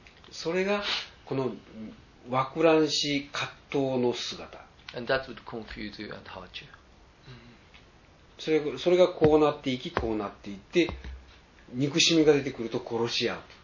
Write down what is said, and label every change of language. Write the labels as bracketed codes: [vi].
[ja] それがこの枠乱し葛藤の姿。 [en] And that would confuse you and hurt you. [ja] それがこうなっていき、こうなっていって、憎しみが出てくると殺し合う。